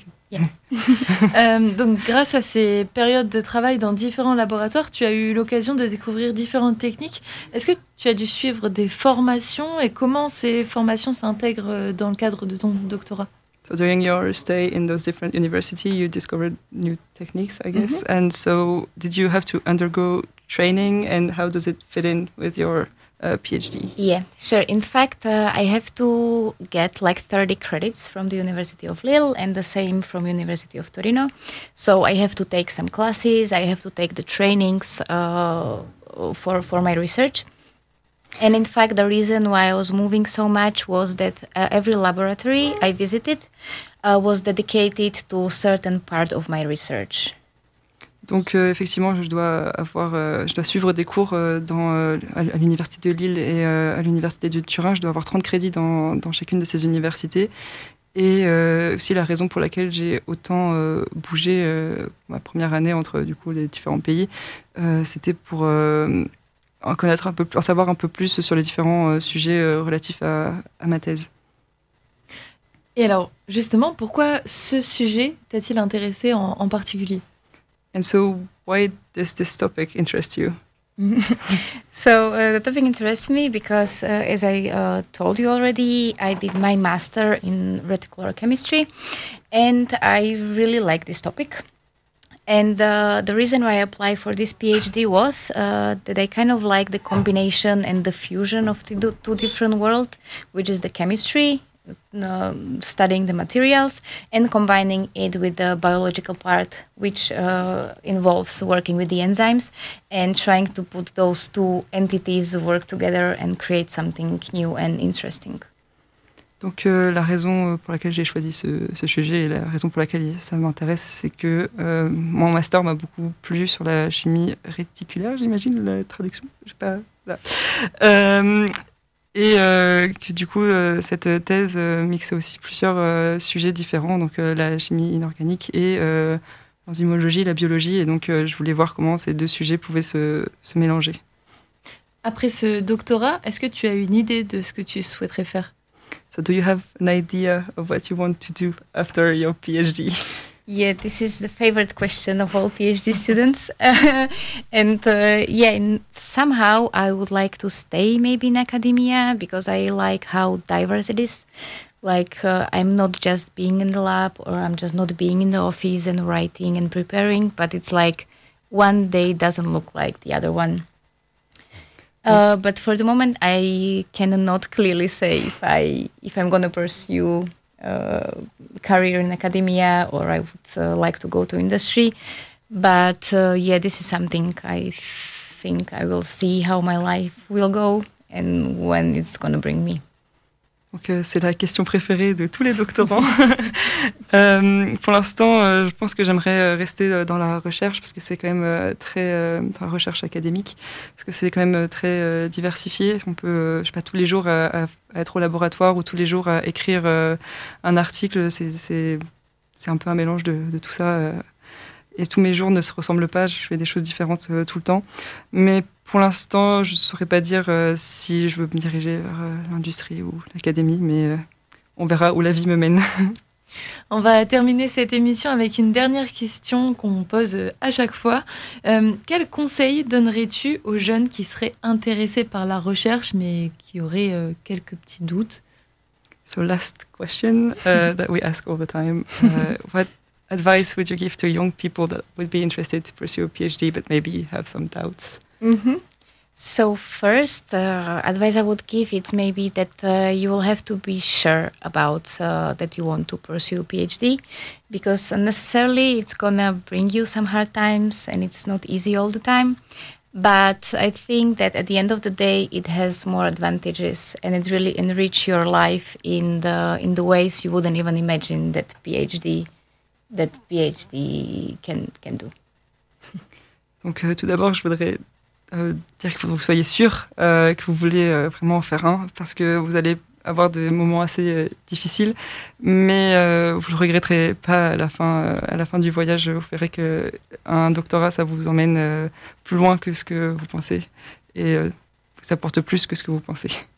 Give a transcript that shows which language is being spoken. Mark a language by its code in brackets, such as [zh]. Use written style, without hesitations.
[fr] Donc grâce à ces périodes de travail dans différents laboratoires, tu as eu l'occasion de découvrir différentes techniques. Est-ce que tu as dû suivre des formations et comment ces formations s'intègrent dans le cadre de ton doctorat? [en] So during your stay in those different universities, you discovered new techniques, I guess. Mm-hmm. And so did you have to undergo training and how does it fit in with your PhD? Yeah, sure. In fact, I have to get like 30 credits from the University of Lille and the same from University of Torino. So I have to take some classes, I have to take the trainings for my research. And in fact, the reason why I was moving so much was that every laboratory I visited was dedicated to a certain part of my research. [fr] Donc effectivement, je dois suivre des cours à l'université de Lille et à l'université de Turin. Je dois avoir 30 crédits dans chacune de ces universités. Et aussi la raison pour laquelle j'ai autant bougé ma première année entre du coup les différents pays, c'était pour en savoir un peu plus sur les différents sujets relatifs à ma thèse. Et alors justement, pourquoi ce sujet t'a-t-il intéressé en particulier? [en] And so, why does this topic interest you? So, the topic interests me because, as I told you already, I did my master in reticular chemistry, and I really like this topic. And the reason why I applied for this PhD was that I kind of like the combination and the fusion of the two different worlds, which is the chemistry, studying the materials and combining it with the biological part, which involves working with the enzymes and trying to put those two entities work together and create something new and interesting. [fr] Donc la raison pour laquelle j'ai choisi ce sujet et la raison pour laquelle ça m'intéresse, c'est que mon master m'a beaucoup plu sur la chimie réticulaire, j'imagine la traduction, j'ai pas là. Et que du coup, cette thèse mixe aussi plusieurs sujets différents, donc la chimie inorganique et l'enzymologie, la biologie. Et donc, je voulais voir comment ces deux sujets pouvaient se mélanger. Après ce doctorat, est-ce que tu as une idée de ce que tu souhaiterais faire? [en] So, do you have an idea of what you want to do after your PhD? Yeah, this is the favorite question of all PhD students. And somehow I would like to stay maybe in academia because I like how diverse it is. Like I'm not just being in the lab or I'm just not being in the office and writing and preparing, but it's like one day doesn't look like the other one. But for the moment, I cannot clearly say if I'm going to pursue career in academia or I would like to go to industry. But yeah, this is something I think I will see how my life will go and when it's going to bring me. [fr] Donc, c'est la question préférée de tous les doctorants. pour l'instant, je pense que j'aimerais rester dans la recherche parce que c'est quand même très dans la recherche académique, parce que c'est quand même très diversifié. On peut, je sais pas, tous les jours à être au laboratoire ou tous les jours à écrire un article. C'est un peu un mélange de tout ça. Et tous mes jours ne se ressemblent pas. Je fais des choses différentes tout le temps. Mais pour l'instant, je ne saurais pas dire si je veux me diriger vers l'industrie ou l'académie, mais on verra où la vie me mène. On va terminer cette émission avec une dernière question qu'on pose à chaque fois. Quel conseil donnerais-tu aux jeunes qui seraient intéressés par la recherche, mais qui auraient quelques petits doutes? [en] So last question that we ask all the time. What advice would you give to young people that would be interested to pursue a PhD, but maybe have some doubts? Mm-hmm. So first advice I would give is maybe that you will have to be sure about that you want to pursue a PhD, because necessarily it's going to bring you some hard times and it's not easy all the time. But I think that at the end of the day, it has more advantages and it really enriches your life in the ways you wouldn't even imagine that PhD can do. [fr] Donc tout d'abord, je voudrais dire qu'il faut que vous soyez sûr que vous voulez vraiment en faire un, parce que vous allez avoir des moments assez difficiles, mais vous ne le regretterez pas à la fin du voyage. Vous verrez qu'un doctorat, ça vous emmène plus loin que ce que vous pensez et vous apporte plus que ce que vous pensez.